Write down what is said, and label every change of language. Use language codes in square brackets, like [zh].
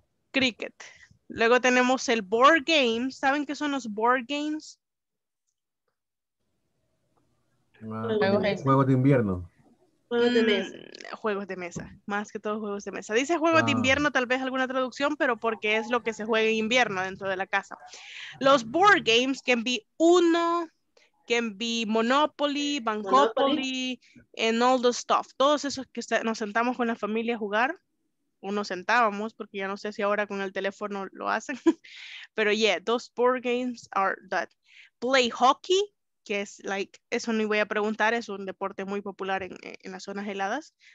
[es] Cricket. Luego tenemos el board game. ¿Saben qué son los board games? Juegos de invierno. Juegos de mesa, más que todo juegos de mesa. Dice juegos de invierno, tal vez alguna traducción, pero porque es lo que se juega en invierno dentro de la casa. [en] Los board games can be Uno, can be Monopoly, Bancopoly, and all the stuff. [es] Todos esos que nos sentamos con la familia a jugar, o nos sentábamos, porque ya no sé si ahora con el teléfono lo hacen. [en] Pero yeah, those board games are that. Play hockey. [es] Que es like, eso ni voy a preguntar, es un deporte muy popular en las zonas heladas.